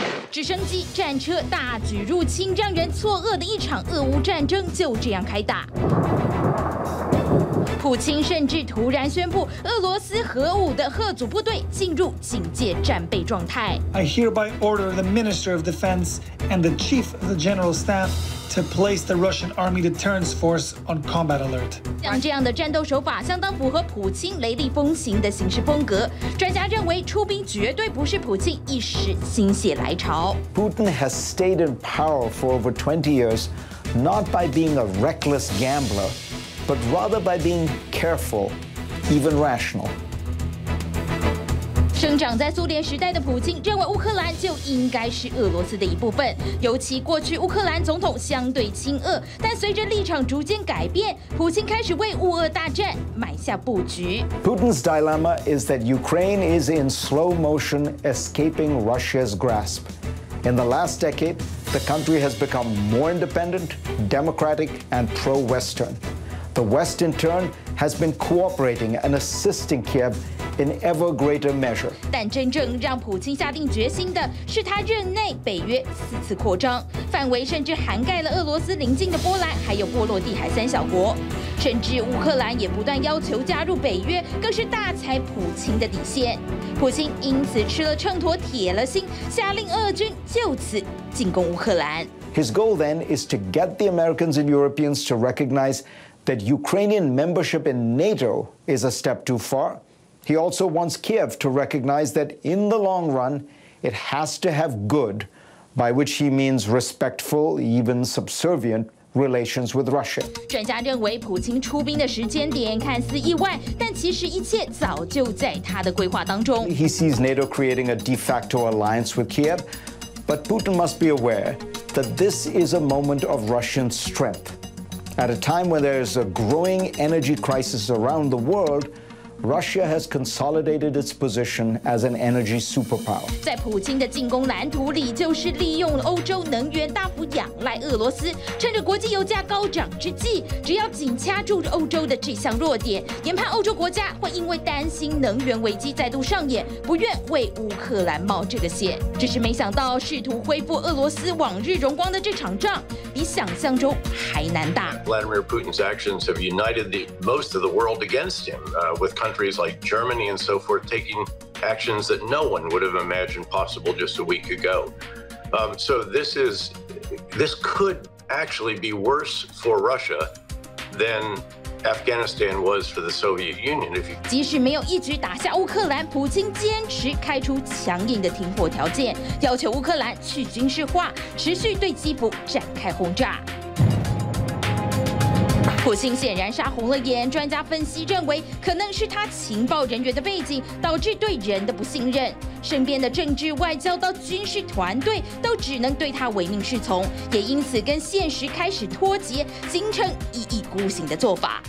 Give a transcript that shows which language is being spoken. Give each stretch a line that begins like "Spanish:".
Chinese: 直升机、战车大举入侵，让人错愕的一场俄乌战争就这样开打。普京甚至突然宣布，俄罗斯核武的赫组部队进入警戒战备状态。
English: I hereby order the Minister of Defense and the Chief of the General Staff to place the Russian Army Deterrence Force on combat alert.
Chinese: 像这样的战斗手法，相当符合普京雷厉风行的行事风格。专家认为，出兵绝对不是普京一时心血来潮。
English: Putin has stayed in power for over 20 years, not by being a reckless gambler. But rather by being careful, even rational.
Chinese: 生长在苏联时代的普京认为乌克兰就应该是俄罗斯的一部分，尤其过去乌克兰总统相对亲俄，但随着立场逐渐改变，普京开始为乌俄大战埋下布局。
English: Putin's dilemma is that Ukraine is in slow motion escaping Russia's grasp. In the last decade, the country has become more independent, democratic, and pro-Western. The West, in turn, has been cooperating and assisting Kiev in ever greater measure.
Chinese: 但真正让普京下定决心的是他任内北约四次扩张，范围甚至涵盖了俄罗斯邻近的波兰，还有波罗的海三小国，甚至乌克兰也不断要求加入北约，更是大踩普京的底线。普京因此吃了秤砣，铁了心，下令俄军就此进攻乌克兰。
English: His goal then is to get the Americans and Europeans to recognize. That Ukrainian membership in NATO is a step too far. He also wants Kiev to recognize that in the long run, it has to have good, by which he means respectful, even subservient. Relations with Russia.
Chinese: 专家认为，普京出兵的时间点看似意外，但其实一切早就在他的规划当中。
English: He sees NATO creating a de facto alliance with Kiev, but Putin must be aware that this is a moment of Russian strength. At a time when there is a growing energy crisis around the world, Russia has consolidated its position as an energy superpower.
Chinese: 在普京的进攻蓝图里，就是利用欧洲能源大幅仰赖俄罗斯，趁着国际油价高涨之际，只要紧掐住欧洲的这项弱点，研判欧洲国家会因为担心能源危机再度上演，不愿为乌克兰冒这个险。只是没想到，试图恢复俄罗斯往日荣光的这场仗。比想象中还难打。
English: Vladimir Putin's actions have united most of the world against him, with countries like Germany and so forth taking actions that no one would have imagined possible just a week ago. So this could actually be worse for Russia than. Afghanistan was for the Soviet Union.
Chinese: 即使没有一举打下乌克兰，普京坚持开出强硬的停火条件，要求乌克兰去军事化，持续对基辅展开轰炸。普京显然杀红了眼，专家分析认为，可能是他情报人员的背景导致对人的不信任，身边的政治、外交到军事团队都只能对他唯命是从，也因此跟现实开始脱节，形成一意孤行的做法。